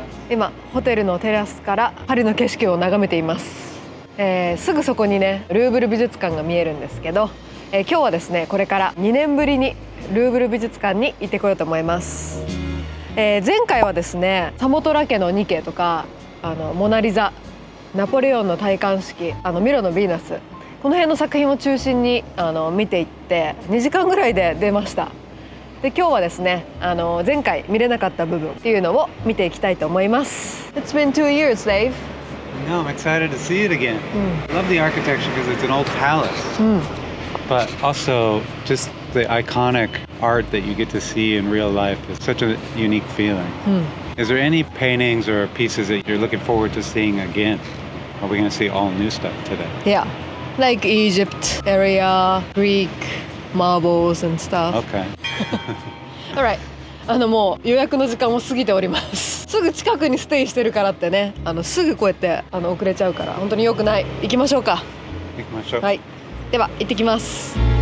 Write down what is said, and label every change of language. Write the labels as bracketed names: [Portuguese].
[Japanese] 今ホテルのテラスからパリの景色を眺めています、すぐそこにねルーブル美術館が見えるんですけど、今日はですねこれから2年ぶりにルーブル美術館に行ってこようと思います、前回はですねサモトラ家のニケとかモナリザ、ナポレオンの戴冠式、ミロのヴィーナス、この辺の作品を中心に見ていって2時間ぐらいで出ました。で、今日はですね、前回見れなかった部分っていうのを見ていきたいと思います。 [English] It's been 2 years, Dave. No, I'm excited to see it again. I love the architecture because it's an old palace. But also, just the iconic art that you get to see in real life is such a unique feeling. Is there any paintings or pieces that you're looking forward to seeing again? Are we going to see all new stuff today? Yeah, like Egypt area, Greek marbles and stuff. Okay. All right. [Japanese] もう予約の時間も過ぎております。すぐ近くにステイしてるからってね、すぐこうやって遅れちゃうから本当に良くない。行きましょうか。行きましょう。はい、では行ってきます。